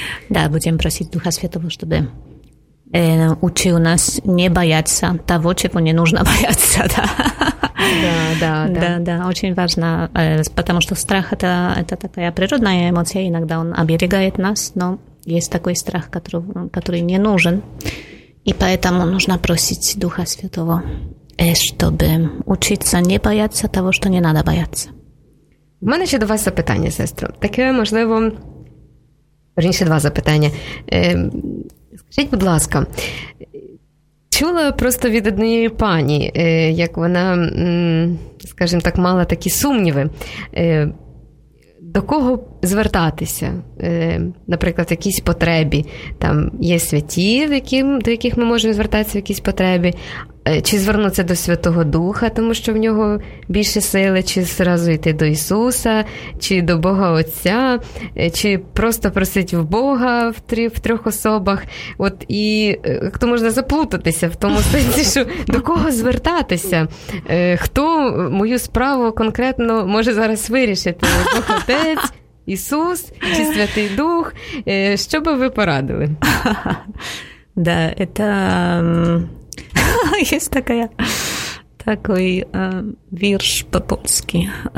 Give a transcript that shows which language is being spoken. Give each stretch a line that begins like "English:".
Ukrainian: Так, будемо просити Духа Святого, щоб учив нас не боятися того, чого не потрібно боятися. Да, дуже важна, тому що страх – це така природна емоція, іноді він оберігає нас, але...
Russian: Есть такой страх, который не нужен. И поэтому нужно просить Духа Святого, чтобы учиться не бояться того, что не надо бояться. У меня еще до вас запитание, сестра.
Ukrainian: Таке, можливо, раньше два запитания. Скажите, будь ласка, чула просто від однієї пані, як вона, скажімо так, мала такі сумніви. До кого звертатися, наприклад, в якійсь потребі? Там є святі, до яких ми можемо звертатися в якійсь потребі? Чи звернутися до Святого Духа, тому що в нього більше сили? Чи зразу йти до Ісуса? Чи до Бога Отця? Чи просто просити в Бога в трьох особах? От і як то можна заплутатися в тому сенсі, що до кого звертатися? Хто мою справу конкретно може зараз вирішити? Бог Отець? Ісус чи Святий Дух, що би ви порадили?
Russian: Да, это есть такая такой вірш по-польски.